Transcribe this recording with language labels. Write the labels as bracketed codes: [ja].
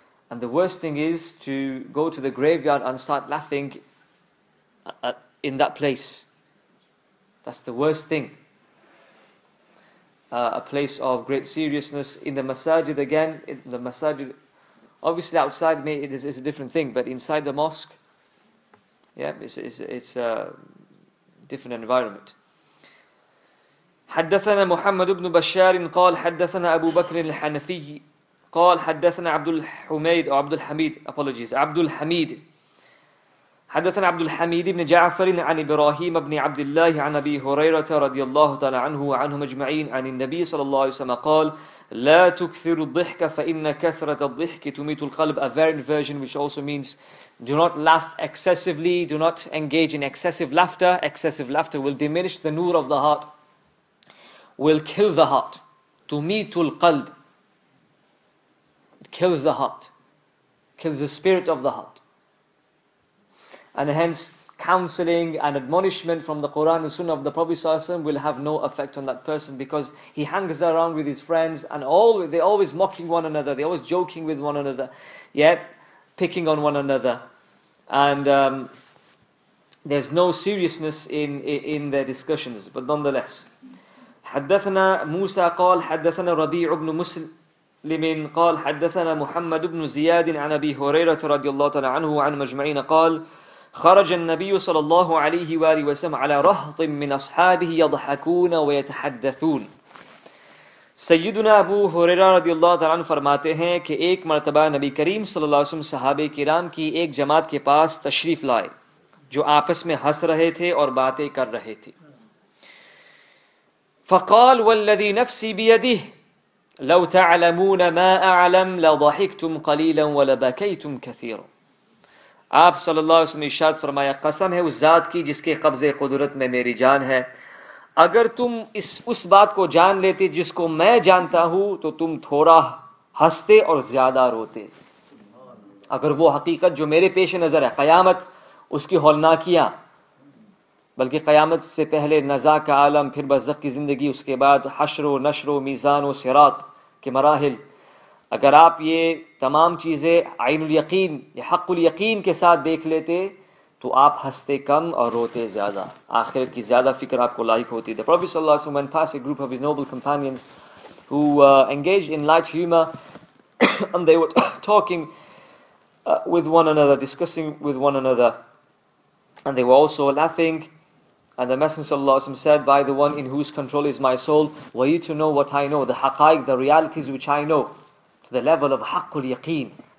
[en] And the worst thing is to go to the graveyard and start laughing in that place. That's the worst thing. A place of great seriousness in the masajid again, in the masajid. Obviously, outside me, it's a different thing. But inside the mosque, yeah, it's a different environment. [ar] حدثنا محمد بن بشار قال حدثنا أبو بكر الحنفي قال حدثنا عبد الحميد أو عبد الحميد [en] apologies [ar] عبد الحميد حدثنا عبد الحميد بن جعفر عن إبراهيم بن عبد الله عن أبي هريرة رضي الله تعالى عنه وعنهم أجمعين عن النبي صلى الله عليه وسلم قال لا تكثر الضحك فإن كثرة الضحك تميت القلب. [en] A variant version which also means do not laugh excessively, do not engage in excessive laughter. Excessive laughter will diminish the nur of the heart, will kill the heart. [ar] تميت القلب, [en] it kills the heart, kills the spirit of the heart. And hence, counseling and admonishment from the Quran and Sunnah of the Prophet ﷺ will have no effect on that person, because he hangs around with his friends and they're always mocking one another, they're always joking with one another, yeah, picking on one another. And there's no seriousness in their discussions, but nonetheless. [ar] حدثنا موسى قال حدثنا ربيع بن مسلم لمن قال حدثنا محمد بن زياد عن أبي هريرة رضي الله تعالى عنه عن مجمعين قال خرج النبي صلى الله عليه وآله وسلم على رهط من أصحابه يضحكون ويتحدثون. [ur] سيدنا أبو هريرة رضي الله تعالى عنه فرماتے ہیں کہ ایک مرتبہ نبی کریم صلی اللہ علیہ وسلم صحابہ کرام کی ایک جماعت کے پاس تشریف لائے جو آپس میں ہنس رہے تھے اور باتیں کر رہے تھے. [ar] فقال والذي نفسي بيده لو تعلمون ما أعلم لضحكتم قليلا ولبكيتم كثيرا. [ur] آپ صلی اللہ علیہ وسلم ارشاد فرمایا قسم ہے اس ذات کی جس کے قبض قدرت میں میری جان ہے, اگر تم اس بات کو جان لیتے جس کو میں جانتا ہوں تو تم تھوڑا ہنستے اور زیادہ روتے. اگر وہ حقیقت جو میرے پیش نظر ہے قیامت, اس کی ہولناکیاں, بلکہ قیامت سے پہلے نزا کا عالم, پھر برزخ کی زندگی, اس کے بعد حشر و نشر و میزان و صراط کے مراحل, اگر آپ یہ تمام چیزیں عین الیقین یا حق الیقین کے ساتھ دیکھ لیتے تو آپ ہنستے کم اور روتے زیادہ, آخرت کی زیادہ فکر آپ کو لائق ہوتی. [en] The Prophet صلی اللہ علیہ وسلم went past a group of his noble companions who engaged in light humor and they were talking with one another, discussing with one another, and they were also laughing. And the Messenger صلی اللہ علیہ وسلم said, by the one in whose control is my soul, were you to know what I know, the haqaiq, the realities which I know, to the level of haqqul yaqeen.